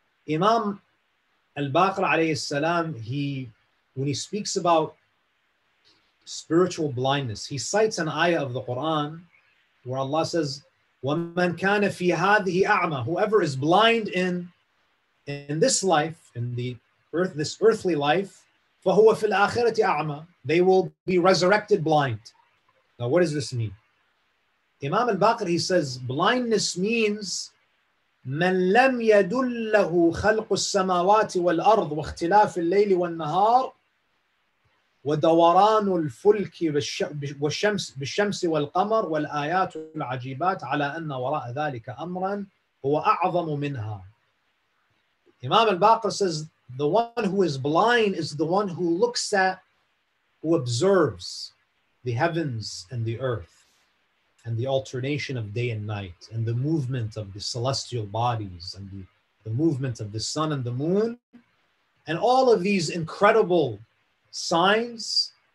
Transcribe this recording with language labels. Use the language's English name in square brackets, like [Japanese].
[English] Imam al-Baqir alayhi salam, when he speaks about spiritual blindness, he cites an ayah of the Quran where Allah says, [Arabic] وَمَنْ كَانَ فِي هَذِهِ أَعْمَى, [English] whoever is blind in this life, in the earth, this earthly life, [Arabic] فَهُوَ فِي الْآخِرَةِ أَعْمَى, [English] they will be resurrected blind. Now, what does this mean? Imam al-Baqir, he says, blindness means [Arabic] مَنْ لَمْ يَدُلَّهُ خَلْقُ السَّمَاوَاتِ وَالْأَرْضِ وَاخْتِلَافِ اللَّيْلِ وَالنَّهَارِ ودوران الفلك بالشمس والقمر والآيات العجيبات على أن وراء ذلك أمرا هو أعظم منها. [English] Imam al-Baqir says, the one who is blind is the one who looks at, who observes the heavens and the earth and the alternation of day and night and the movement of the celestial bodies and the movement of the sun and the moon and all of these incredible signs,